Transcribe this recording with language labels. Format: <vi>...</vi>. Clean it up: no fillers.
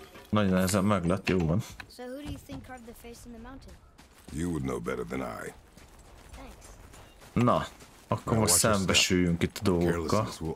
<hu>Nagyon nehezen meglett, jó van.</hu> <en>So who do you think carved the face in the mountain? You would know better than I. Thanks.</en> <hu>Na, akkor most szembesüljünk itt a dolgokkal.</hu>